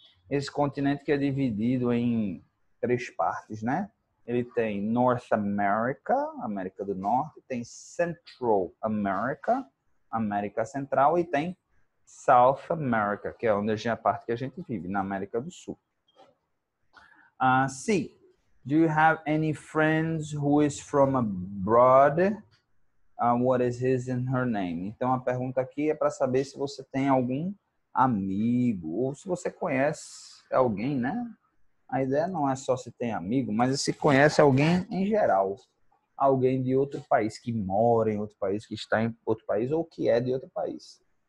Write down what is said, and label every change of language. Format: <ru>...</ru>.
<pt>Esse continente que é dividido em três partes, né? Ele tem North America, América do Norte, tem Central America, América Central, e tem South America, que é onde a parte que a gente vive, na América do Sul. C.</pt> <en>Do you have any friends who is from abroad? What is his and her name?</en> <pt>Então a pergunta aqui é para saber se você tem algum amigo ou se você conhece alguém, né? A ideia não é só se tem amigo, mas se conhece alguém em geral. Alguém de outro país, que mora em outro país, que está em outro país ou que é de outro país.</pt>